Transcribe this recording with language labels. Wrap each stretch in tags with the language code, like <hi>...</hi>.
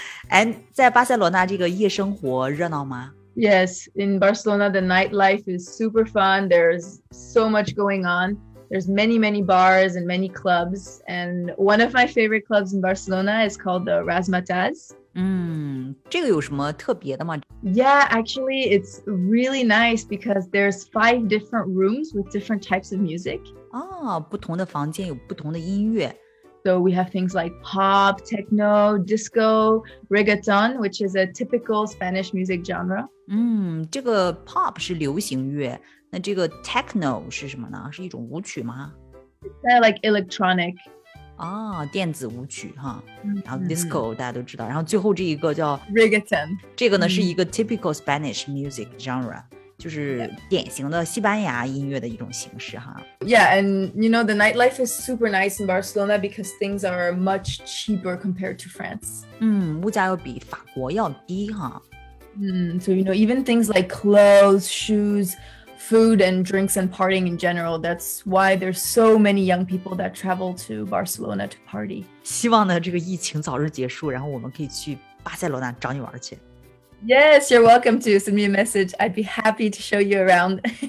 <en>And</en> <zh>在巴塞罗那这个夜生活热闹吗?</zh> <en>Yes, in Barcelona, the nightlife is super fun. There's so much going on. There's many, many bars and many clubs. And one of my favorite clubs in Barcelona is called the Razzmatazz.</en> <zh>这个有什么特别的吗?</zh> <en>Yeah, actually, it's really nice because there's 5 different rooms with different types of music.</en> <zh>哦，不同的房间有不同的音乐。</zh> <en>So we have things like pop, techno, disco, reggaeton, which is a typical Spanish music genre.</en> <zh>这个 pop 是流行乐，那这个 techno 是什么呢？是一种舞曲吗?</zh> <en>It's like electronic.</en> <zh>啊，电子舞曲哈、然后 disco 大家都知道，然后最后这一个叫</zh> <es>reggaeton，</es> <zh>这个呢、是一个</zh> <en>typical Spanish music genre，</en> <zh>就是典型的西班牙音乐的一种形式哈。</zh> <en>Yeah, and you know the nightlife is super nice in Barcelona because things are much cheaper compared to France.</en> <zh>物价又比法国要低哈。</zh> <en>So you know even things like clothes, shoes. Food and drinks and partying in general. That's why there's so many young people that travel to Barcelona to party.</en> <zh>希望呢这个疫情早日结束，然后我们可以去巴塞罗那找你玩去。</zh> <en>Yes, you're welcome to send me a message. I'd be happy to show you around.</en>